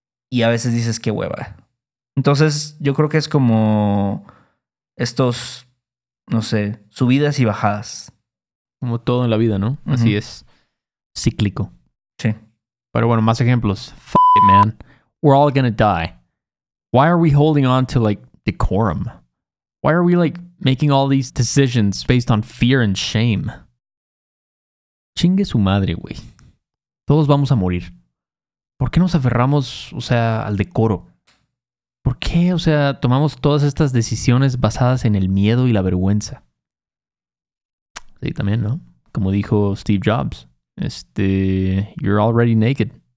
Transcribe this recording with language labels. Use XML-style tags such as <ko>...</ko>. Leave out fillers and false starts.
<es>Y a veces dices, qué hueva. Entonces, yo creo que es como estos, no sé, subidas y bajadas. Como todo en la vida, ¿no? Uh-huh. Así es. Cíclico. Sí. Pero bueno, más ejemplos.</es> <en>F*** it, man. We're all gonna die. Why are we holding on to, like, decorum? Why are we, like, making all these decisions based on fear and shame?</en> <es>Chingue su madre, güey. Todos vamos a morir. ¿Por qué nos aferramos, o sea, al decoro? ¿Por qué, o sea, tomamos todas estas decisiones basadas en el miedo y la vergüenza? Sí, también, ¿no? Como dijo Steve Jobs.</es> <en>You're already naked.</en>